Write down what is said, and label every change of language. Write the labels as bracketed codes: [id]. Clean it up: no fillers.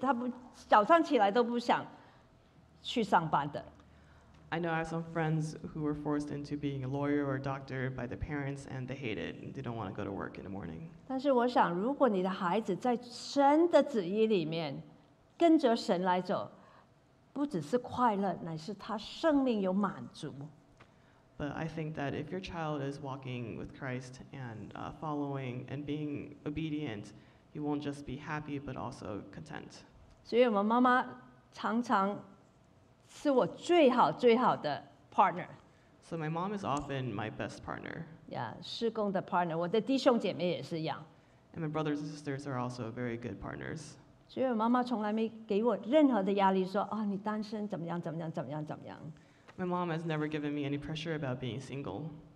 [zh] 他不，早上起来都不想去上班的。 [en] I know I have some friends who were forced into being a lawyer or a doctor by their parents, and they hate it. They don't want to go to work in the morning. [zh] 但是我想，如果你的孩子在神的旨意里面， 跟着神来走，不只是快乐，乃是他生命有满足。 [en] But I think that if your child is walking with Christ and following and being obedient, you won't just be happy but also content. [zh] 所以我妈妈常常是我最好最好的 partner. [en] So my mom is often my best partner. [zh] Yeah, 事工的 partner. 我的弟兄姐妹也是一样。 [en] And my brothers and sisters are also very good partners. [zh] 所以我妈妈从来没给我任何的压力，说：“哦，你单身，怎么样，怎么样，怎么样，怎么样。” [en] My mom has never given me any pressure about being single.